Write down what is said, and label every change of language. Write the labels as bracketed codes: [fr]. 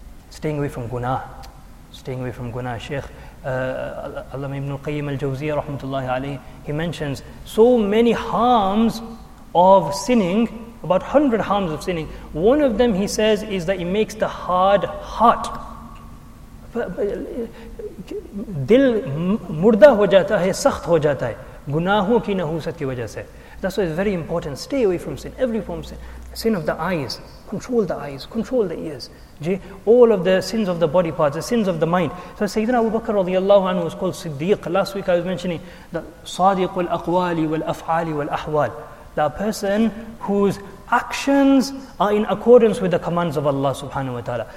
[en] Staying away from guna. Staying away from guna. Shaykh Allama Ibn Qayyim Al-Jawziyah rahmatullahi alayhi, he mentions so many harms of sinning, about 100 harms of sinning. One of them, he says, is that it makes the hard heart. [ur] دل مردہ ہو جاتا ہے سخت ہو جاتا ہے گناہوں کی نحوست کی وجہ سے. [en] That's why it's very important, stay away from sin, every form of sin. Sin of the eyes, control the eyes, control the ears, all of the sins of the body parts, the sins of the mind. So Sayyidina Abu Bakr radiallahu anhu was called Siddiq. Last week I was mentioning that [ar] صادق الأقوال والأفعال والأحوال, [en] that a person whose actions are in accordance with the commands of Allah subhanahu wa ta'ala.